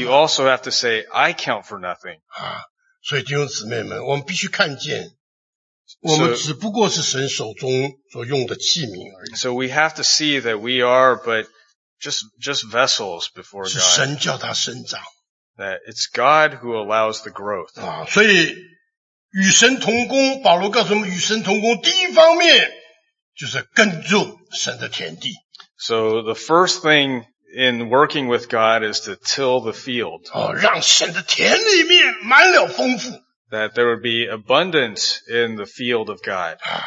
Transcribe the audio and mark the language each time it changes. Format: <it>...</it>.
<en>You also have to say I count for nothing.</en> <zh>所以弟兄姊妹们，我们必须看见，我们只不过是神手中所用的器皿而已。</zh> <en>So we have to see that we are but just vessels before God.</en> <zh>是神叫他生长。</zh> <en>That it's God who allows the growth.</en> <zh>所以与神同工，保罗告诉我们，与神同工第一方面就是耕种神的田地。</zh> <en>So the first thing in working with God is to till the field.</en> <zh>让神的田里面满了丰富。</zh> <en>That there would be abundance in the field of God.</en>